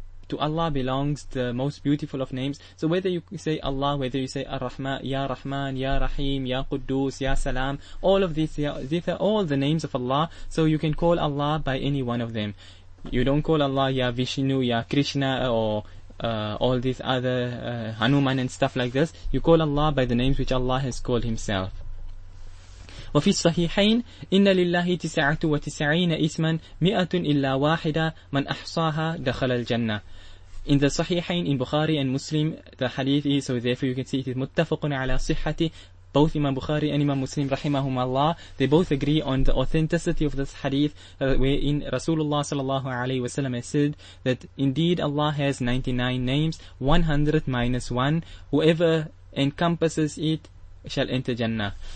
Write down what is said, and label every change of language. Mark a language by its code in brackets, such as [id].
[en] To Allah belongs the most beautiful of names. So whether you say Allah, whether you say Ar-Rahman, Ya Rahman, Ya Rahim, Ya Quddus, Ya Salam, all of these are all the names of Allah. So you can call Allah by any one of them. You don't call Allah Ya Vishnu, Ya Krishna, or all these other Hanuman and stuff like this. You call Allah by the names which Allah has called Himself. [ar] وفي الصحيحين إن لله تسعة وتسعين اسما مئة إلا واحدة من أحصاها دخل الجنة. [en] In the Sahihain, in Bukhari and Muslim, the hadith is, so therefore you can see it is [ar] متفقٌ على صحته. [en] Both Imam Bukhari and Imam Muslim, rahimahum Allah, they both agree on the authenticity of this hadith, wherein Rasulullah sallallahu alayhi wasallam has said that indeed Allah has 99 names, 100 minus 1, whoever encompasses it shall enter Jannah.